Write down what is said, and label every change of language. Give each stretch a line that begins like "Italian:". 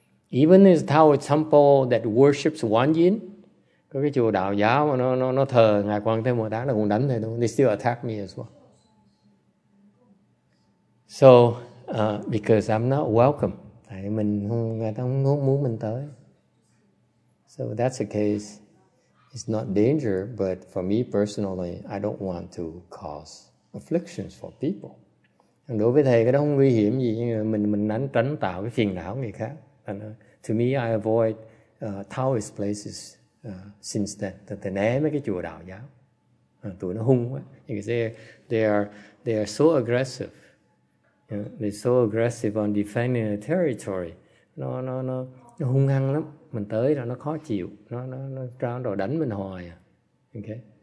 English: Even in the Taoist temple that worships Quán Yin,
Vietnamese: có cái chùa Đạo giáo mà nó thờ Ngài Quan Thế Mô Tát là cũng đánh thầy thôi.
English: They still attack me as well. So, because I'm not welcome.
Vietnamese: Tại mình không, người ta không muốn mình tới.
English: So that's the case. It's not danger, but for me personally, I don't want to cause afflictions for people.
Vietnamese: And đối với thầy, cái đó không nguy hiểm gì. Nhưng mình đánh tránh tạo cái phiền não người khác.
English: And, to me, I avoid Taoist places. Since then, the name of the
Vietnamese: chùa Đạo giáo, tụi nó hung quá.
English: Because they are so aggressive. You know, they're so aggressive on defending the territory.
Vietnamese: Nó hung hăng lắm. Mình tới là nó khó chịu. Nó trao đồ đánh mình hoài. Okay.